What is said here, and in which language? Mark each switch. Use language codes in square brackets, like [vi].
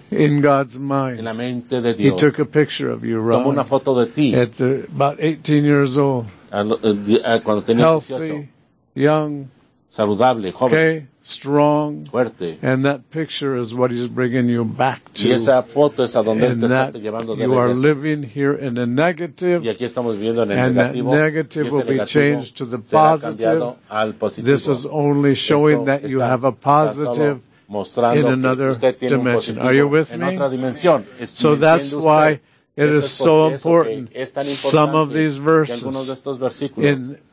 [en] In God's mind. [es] En la mente de Dios. [en] He took a picture of you, Ron. [es] Tomó una foto de ti. [en] At the, about 18 years old. [es] Cuando tenía 18. [en] Healthy, young. [es] Saludable, joven. [en] Okay, strong. [es] Fuerte. [en] And that picture is what he's bringing you back to. [es] Y esa foto es a donde él te está llevando de [en] you are living here in a negative. [es] Y aquí estamos viviendo en el [en] and [es] negativo. [en] That negative will be changed to the positive. [es] Al positivo. [en] This is only showing that you have a positive in another dimension. Are you with me? [es] En otra dimensión. [en] So that's why it is so important. Some of these verses.